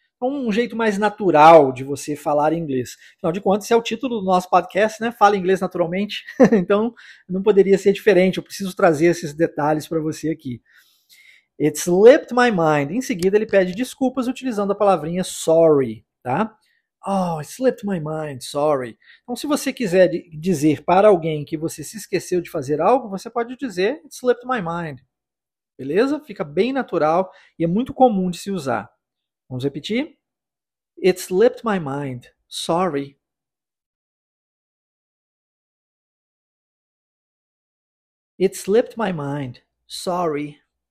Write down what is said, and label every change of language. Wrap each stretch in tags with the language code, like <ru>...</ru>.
<pt>um jeito mais natural de você falar inglês. Afinal de contas, esse é o título do nosso podcast, né? Fala inglês naturalmente. Então, não poderia ser diferente. Eu preciso trazer esses detalhes para você aqui.</pt> <en>It slipped my mind.</en> <pt>Em seguida, ele pede desculpas utilizando a palavrinha sorry, tá?</pt> <en>Oh, it slipped my mind, sorry.</en> <pt>Então, se você quiser dizer para alguém que você se esqueceu de fazer algo, você pode dizer</pt> <en>it slipped my mind.</en> <pt>Beleza? Fica bem natural e é muito comum de se usar. Vamos repetir?</pt> <en>It slipped my mind, sorry. It slipped my mind, sorry.</en>